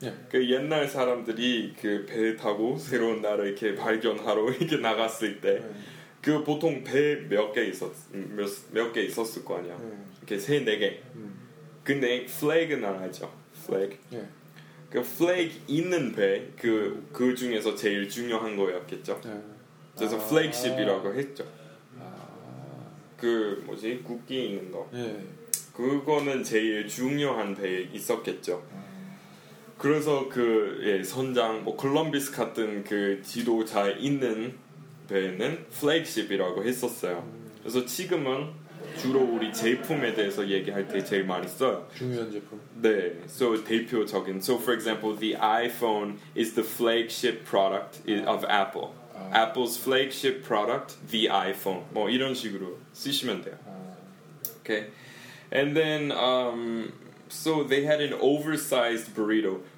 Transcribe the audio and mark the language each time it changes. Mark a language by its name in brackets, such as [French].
[Korean] 그 옛날 사람들이 그 배 타고 새로운 나라 이렇게 발견하러 이렇게 나갔을 때 그 보통 배 몇 개 있었 몇 개 있었을 거 아니야 이렇게 세 네 개 근데 flag는 알죠 flag 그 flag 있는 배 그 그 중에서 제일 중요한 거였겠죠 그래서 flagship이라고 했죠 그 뭐지 국기 있는 거 그거는 제일 중요한 배에 있었겠죠. 그래서 그 예, 선장 뭐 콜럼비스 같은 그 지도자에 있는 배는 플래그십이라고 했었어요. 그래서 지금은 주로 우리 제품에 대해서 얘기할 때 제일 많이 써요. 중요한 제품. 네. [English] So [Korean] 대표적인. [English] So for example, the iPhone is the flagship product of Apple. Apple's flagship product, the iPhone. [Korean] 뭐 이런 식으로 쓰시면 돼요. [English] Okay. And then So they had an oversized burrito.